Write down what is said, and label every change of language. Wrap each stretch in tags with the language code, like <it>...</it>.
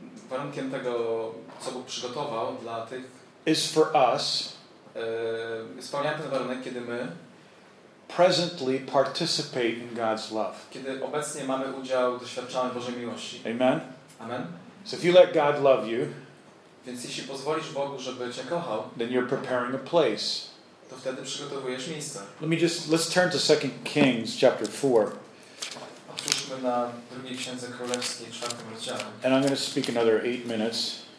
<pl>Warunkiem tego, co Bóg przygotował dla tych.</pl> <en>Is for us.</en> <pl>Spełniamy ten warunek, kiedy my</pl> <en>presently participate in God's love.</en> <pl>Kiedy obecnie mamy udział, doświadczamy Bożej miłości. Amen. Amen.</pl> <en>So if you let God love you,</en> <pl>więc jeśli pozwolisz Bogu, żeby cię kochał,</pl> <en>then you're preparing a place.</en> <pl>To wtedy przygotowujesz miejsce.</pl> <en>Let's turn to 2 Kings chapter 4.</en> <pl>Otwórzmy na drugiej księdze królewskiej, czwartym rozdziale.</pl> <en>And I'm going to speak another 8 minutes.</en>